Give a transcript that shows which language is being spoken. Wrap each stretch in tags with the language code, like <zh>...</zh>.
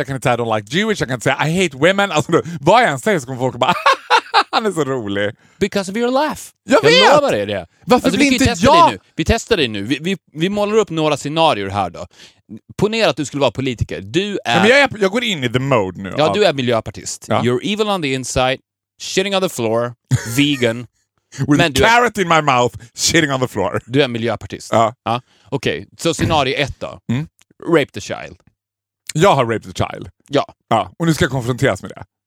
<sv>Jag kan inte säga</sv> <en>I don't like Jewish.</en> <sv>Jag kan inte säga</sv> <en>I hate women.</en> <sv>Alltså då, vad jag än säger så kommer folk bara... Han är så rolig.</sv> <en>Because of your laugh.</en> <sv>Jag vet. Jag lovar er det. Varför alltså, inte testa jag? Nu. Vi testar dig nu. Vi målar upp några scenarier här då. Ponera att du skulle vara politiker. Du är... Men jag går in i the mode nu. Ja, du är miljöpartist. Ja.</sv> <en>You're evil on the inside. Shitting on the floor. Vegan. With men a carrot in my mouth. Shitting on the floor.</en> <sv>Du är miljöpartist. Ja. Okej, okay. Så scenario ett då.</sv> <en>Mm. Rape the child.</en> <sv>Jag har</sv> <en>raped the child.</en> <sv>Ja. Ja. Och nu ska jag konfronteras med det.</sv>